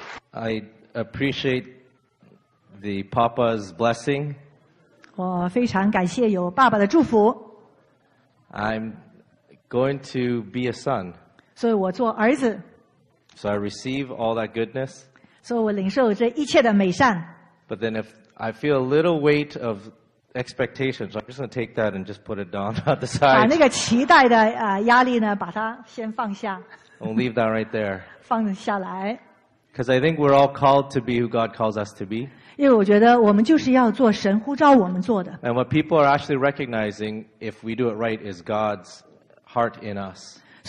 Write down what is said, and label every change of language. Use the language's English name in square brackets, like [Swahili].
[English] I appreciate the Papa's blessing. [Chinese] 我非常感谢有爸爸的祝福。 [English] I'm going to be a son. [Chinese] 所以我做儿子。 [English] So I receive all that goodness. [Chinese] 所以我领受这一切的美善。 [English] But then if I feel a little weight of expectations, I'm just going to take that and just put it down on the side. [Chinese] 把那个期待的压力呢，把它先放下。 [English] We'll leave that right there. [Chinese] 放下来。 [English] Because I think we're all called to be who God calls us to be. [Chinese] 因为我觉得我们就是要做神呼召我们做的。 [English] And what people are actually recognizing, if we do it right, is God's heart in us.